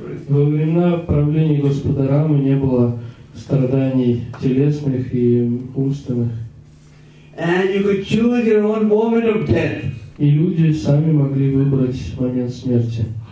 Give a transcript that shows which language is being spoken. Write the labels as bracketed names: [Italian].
[Russian] Во времена правления Господа Рамы не было страданий телесных и умственных. [English] And you could choose your own moment of death. [Russian] И люди сами могли выбрать момент смерти.